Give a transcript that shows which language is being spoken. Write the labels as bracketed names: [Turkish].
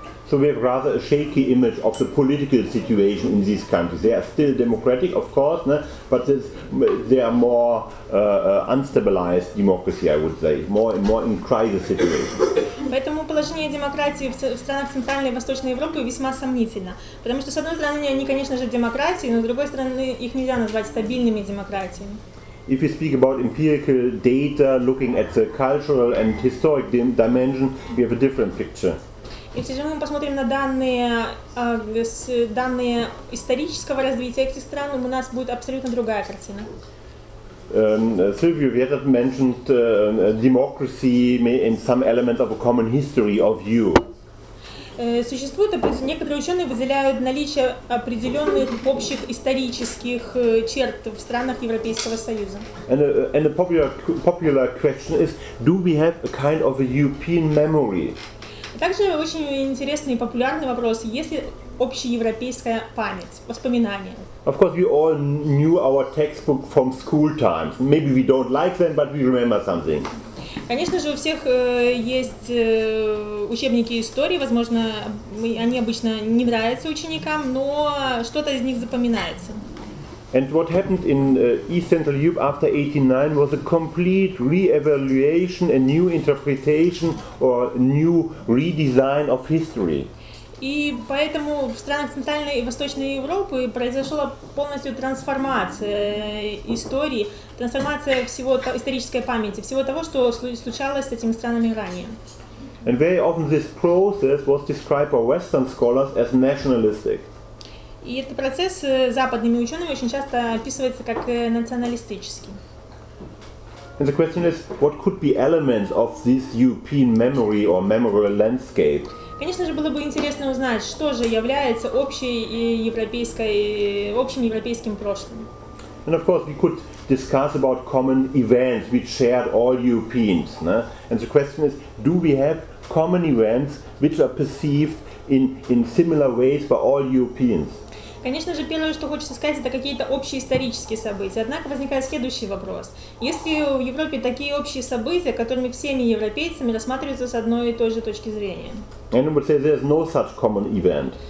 [English] So we have rather a shaky image of the political situation in these countries. They are still democratic, of course, but they are more unstabilized democracy, I would say, more in crisis situation. [Russian] Поэтому положение демократии в странах Центральной и Восточной Европы весьма сомнительно, потому что с одной стороны они, конечно же, демократии, но с другой стороны их нельзя назвать стабильными демократиями. [English] If we speak about empirical data, looking at the cultural and historic dimension, we have a different picture. [Russian] Если же мы посмотрим на данные исторического развития этих стран, у нас будет абсолютно другая картина. [English] Silvio, you had mentioned democracy in some element of a common history of you. [Russian] Существует, некоторые ученые выделяют наличие определенных общих исторических черт в странах Европейского Союза. [English] And a popular question is, do we have a kind of a European memory? [Russian] Также очень интересный и популярный вопрос: есть ли общеевропейская память, воспоминания? [English] Of course, we all knew our textbook from school times. Maybe we don't like them, but we remember something. [Russian] Конечно же, у всех есть учебники истории. Возможно, они обычно не нравятся ученикам, но что-то из них запоминается. [English] And what happened in East Central Europe after 89 was a complete re-evaluation, a new interpretation or new redesign of history. [Russian] И поэтому в странах Центральной и Восточной Европы произошла полностью трансформация истории, трансформация всего исторической памяти, всего того, что случалось с этими странами ранее. [English] And very often this process was described by Western scholars as nationalistic. [Russian] И этот процесс западными учеными очень часто описывается как националистический. [English] And the question is, what could be elements of this European memory or memorial landscape? [Russian] Конечно же, было бы интересно узнать, что же является общим европейским прошлым. [English] And of course, we could discuss about common events which shared all Europeans. And the question is, do we have common events which are perceived in similar ways for all Europeans. [Russian] Конечно же, первое, что хочется сказать, это какие-то общие исторические события. Однако возникает следующий вопрос. Если в Европе такие общие события, которыми всеми европейцами рассматриваются с одной и той же точки зрения? [English] Anyone would say there's no such common event.